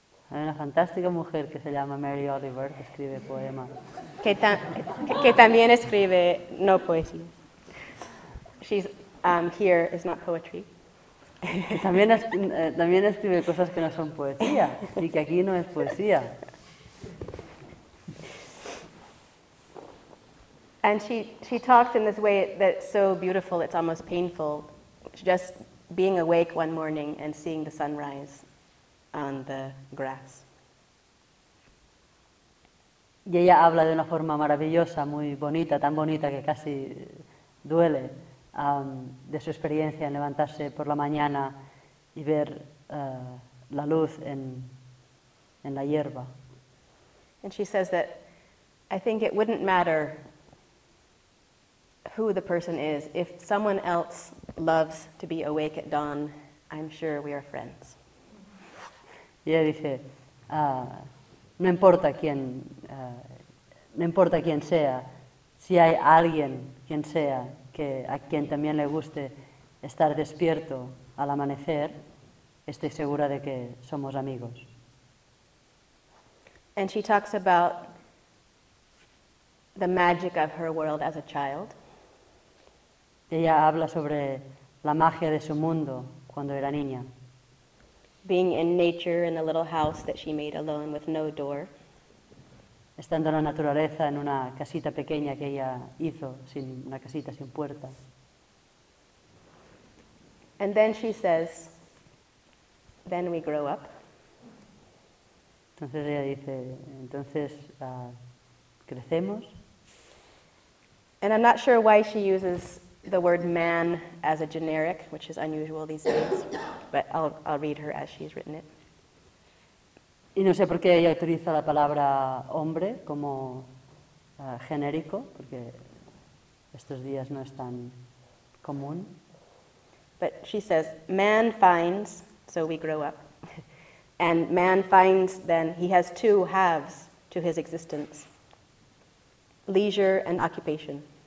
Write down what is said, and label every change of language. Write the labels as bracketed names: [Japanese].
[Spanish] Hay una fantástica mujer que se llama Mary Oliver, que escribe poemas. Que también escribe no poesía. [English] She's here, it's not poetry. [Spanish] También escribe cosas que no son poesía, y que aquí no es poesía. [English] And she talks in this way that's so beautiful, it's almost painful, just being awake one morning and seeing the sunrise on the grass. [Spanish] Y ella habla de una forma maravillosa, muy bonita, tan bonita que casi duele, de su experiencia en levantarse por la mañana y ver la luz en la hierba. [English] And she says that, I think it wouldn't matter who the person is, if someone else loves to be awake at dawn, I'm sure we are friends. [Spanish] Y ella dice, no importa quién sea, si hay alguien, quien sea, que a quien también le guste estar despierto al amanecer, estoy segura de que somos amigos. [English] And she talks about the magic of her world as a child. [Spanish] Ella habla sobre la magia de su mundo cuando era niña. [English] Being in nature in a little house that she made alone with no door. [Spanish] Estando en la naturaleza en una casita pequeña que ella hizo, sin una casita sin puerta. [English] And then she says, then we grow up. [Spanish] Entonces ella dice, entonces crecemos. [English] And I'm not sure why she uses the word man as a generic, which is unusual these days, but I'll read her as she's written it. [Spanish] Y no sé por qué ella utiliza la palabra hombre como genérico, porque estos días no es tan común. [English] But she says, man finds, so we grow up, and man finds then he has two halves to his existence, leisure and occupation.